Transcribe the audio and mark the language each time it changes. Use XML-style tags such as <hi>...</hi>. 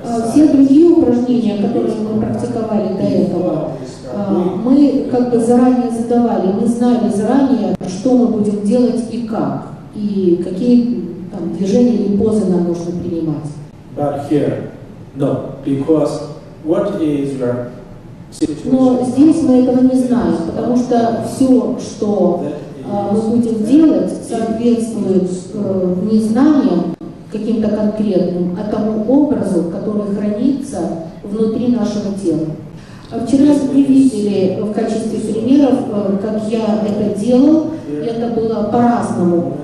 <ru>Все другие упражнения, которые мы практиковали до этого, мы как бы заранее задавали, мы знали заранее, что мы будем делать и как, и какие там движения или позы нам нужно принимать.</ru> <en>But here, no, because what is your situation?</en> <ru>Но здесь мы этого не знаем, потому что все, что мы будем делать, соответствует незнанию, каким-то конкретным, а тому образу, который хранится внутри нашего тела. Вчера мы видели в качестве примеров, как я это делал, и это было по-разному.</ru>